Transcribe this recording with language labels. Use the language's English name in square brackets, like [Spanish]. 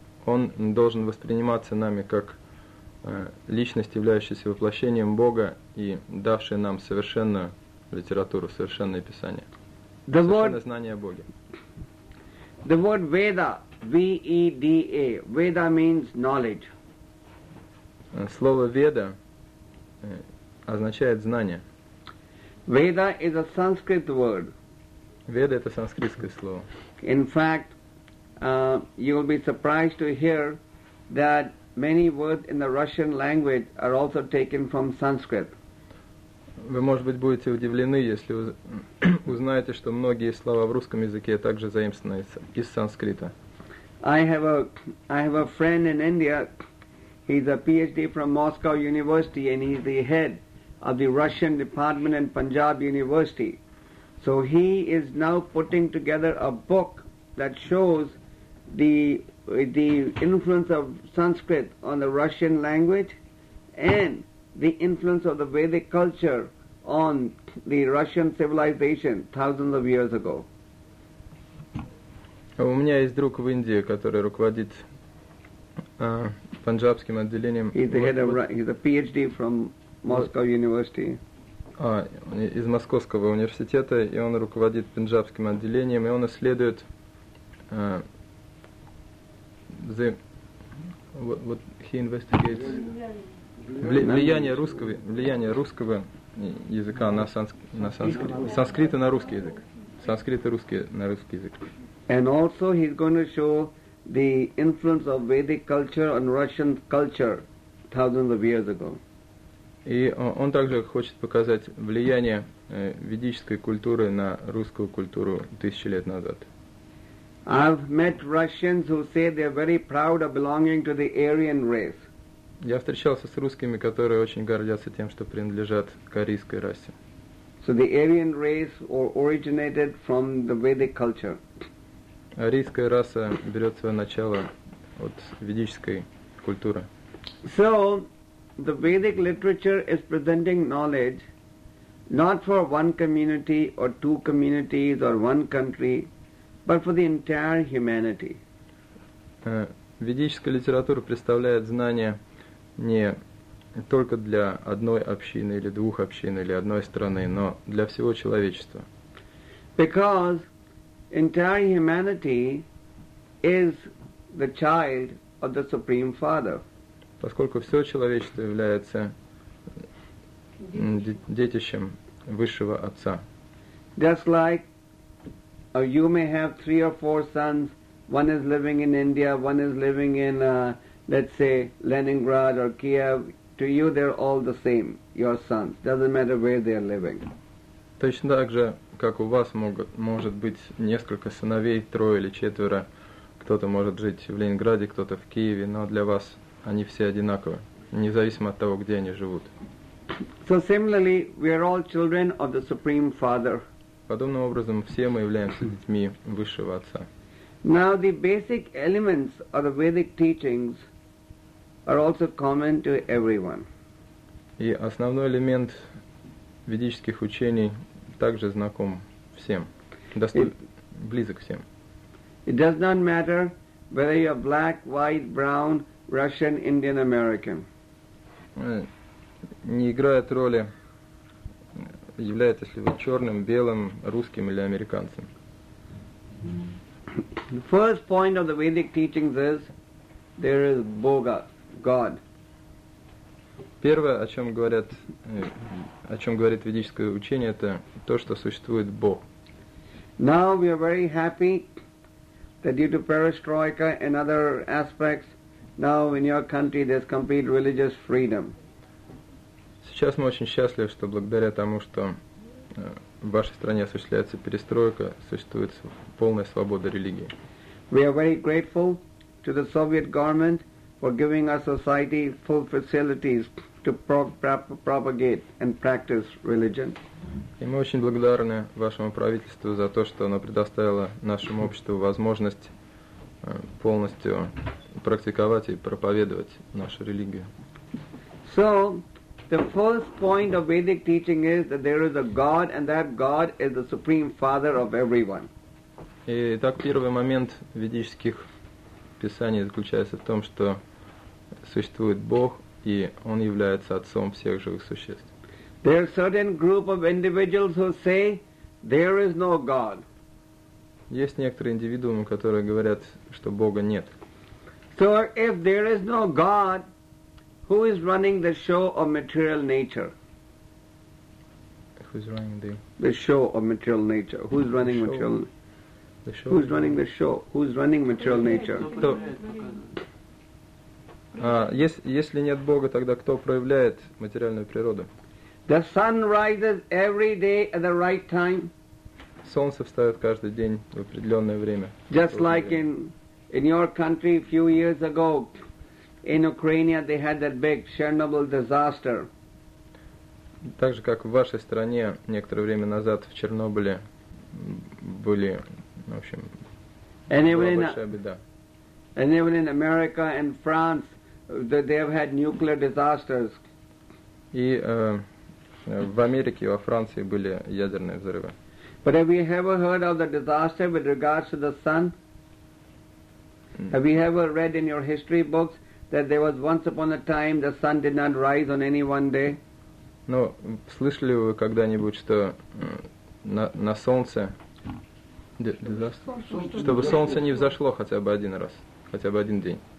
[Russian] Он должен восприниматься нами как личность, являющаяся воплощением Бога и давшая нам совершенную литературу, совершенное писание, совершенное знание о Боге. [English] The word Veda, V-E-D-A, Veda means knowledge. [Russian] Слово Веда означает знание. [English] Veda is a Sanskrit word. [Russian] Веда – это санскритское слово. [English] In fact, you will be surprised to hear that many words in the Russian language are also taken from Sanskrit. [Russian] Вы, может быть, будете удивлены, если узнаете, что многие слова в русском языке также заимствованы из санскрита. [English] I have a friend in India. He's a PhD from Moscow University, and he's the head of the Russian department in Punjab University. So he is now putting together a book that shows the influence of Sanskrit on the Russian language and the influence of the Vedic culture on the Russian civilization thousands of years ago. [Russian] У меня есть друг в Индии, который руководит панджабским отделением. [English] He's a PhD from Moscow University. [Russian] Из Московского университета, и он руководит панджабским отделением, и он исследует влияние русского языка санскрита на русский язык. Санскрит и русский на русский язык. [English] And also he's going to show the influence of Vedic culture on Russian culture thousands of years ago. [Russian] И он также хочет показать влияние ведической культуры на русскую культуру тысячи лет назад. [English] I've met Russians who say they're very proud of belonging to the Aryan race. [Russian] Я встречался с русскими, которые очень гордятся тем, что принадлежат к арийской расе. [English] So the Aryan race originated from the Vedic culture. [Russian] Арийская раса берет свое начало от ведической культуры. [English] So the Vedic literature is presenting knowledge not for one community or two communities or one country, but for the entire humanity. [Russian] Ведическая литература представляет знания не только для одной общины или двух общин или одной страны, но для всего человечества. [English] Because entire humanity is the child of the Supreme Father. [Russian] Поскольку все человечество является детищем Высшего Отца. [English] Just like you may have three or four sons, one is living in India, one is living in, let's say, Leningrad or Kiev, to you they're all the same, your sons, doesn't matter where they're living. [Russian] Точно так же, как у вас может быть несколько сыновей, трое или четверо, кто-то может жить в Ленинграде, кто-то в Киеве, но для вас они все одинаковы, независимо от того, где они живут. [English] So similarly, we are all children of the Supreme Father. [Russian] Подобным образом, все мы являемся детьми Высшего Отца. [English] Now the basic elements of the Vedic teachings are also common to everyone. [Russian] И основной элемент ведических учений также знаком всем, близок всем. [English] It does not matter whether you are black, white, brown, Russian, Indian, American. [Russian] Не играет роли, являетесь ли вы черным, белым, русским или американцем. [English] The first point of the Vedic teachings is there is Boga, God. [Russian] Первое, о чем говорит ведическое учение, это то, что существует Бог. [English] Now we are very happy that due to perestroika and other aspects, now in your country there's complete religious freedom. [Russian] Сейчас мы очень счастливы, что благодаря тому, что в вашей стране осуществляется перестройка, существует полная свобода религии. [English] We are very grateful to the Soviet government for giving our society full facilities to propagate and practice religion. [Russian] И мы очень благодарны вашему правительству за то, что оно предоставило нашему обществу возможность полностью практиковать и проповедовать нашу религию. [English] So, the first point of Vedic teaching is that there is a God, and that God is the Supreme Father of everyone. [Russian] И так первый момент ведических писаний заключается в том, что существует Бог, и Он является Отцом всех живых существ. [English] There are certain group of individuals who say there is no God. [Russian] Есть некоторые индивидуумы, которые говорят, что Бога нет. [English] So if there is no God, who is running the show of material nature? Who is running the show of material nature? Who is running show? Material? The show. Who is running the show? Who is running material nature? [Russian] Кто? Если нет Бога, тогда кто проявляет материальную природу? [English] The sun rises every day at the right time. [Russian] Солнце встает каждый день в определенное время. [English] Just like in your country a few years ago. In Ukraine, they had that big Chernobyl disaster. [Russian] Так же, как в вашей стране некоторое время назад в Чернобыле были, в общем, большая беда. [English] And even in America and France, they have had nuclear disasters. [Russian] И в Америке, во Франции были ядерные взрывы. [English] But have you ever heard of the disaster with regards to the sun? Have you ever read in your history books that there was once upon a time the sun did not rise on any one day? [Russian] Но слышали вы когда-нибудь, что на солнце, чтобы солнце не взошло хотя бы один раз, хотя бы один день?